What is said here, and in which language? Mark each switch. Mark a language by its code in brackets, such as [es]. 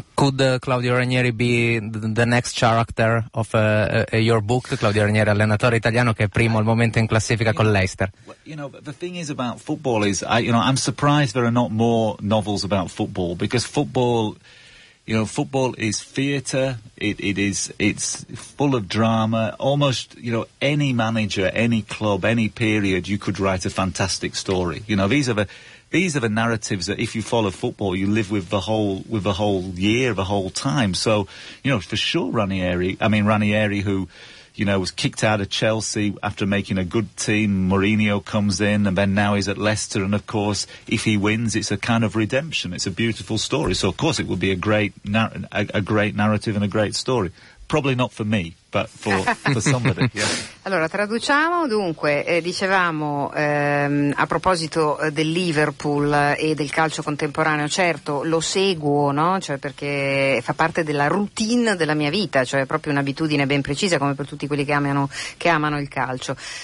[en] Could Claudio Ranieri be the next character of your book? [it] Claudio Ranieri, allenatore italiano, che è primo al momento in classifica con Leicester. [en] You know, the thing is about football is, I'm surprised there are not more novels about football, because football, you know, football is theatre, it's full of drama. Almost, you know, any manager, any club, any period, you could write a fantastic story. You know, these are the narratives that if you follow football, you live with the whole year, the whole time. So, you know, for sure Ranieri, who, you know, was kicked out of Chelsea after making a good team. Mourinho comes in, and then now he's at Leicester. And of course, if he wins, it's a kind of redemption. It's a beautiful story. So of course, it would be a great narrative and a great story. Probably not for me, but for somebody. Yeah. [it] Allora, traduciamo dunque, dicevamo a proposito del Liverpool e del calcio contemporaneo, certo lo seguo, no? Cioè, perché fa parte della routine della mia vita, cioè è proprio un'abitudine ben precisa, come per tutti quelli che amano il calcio.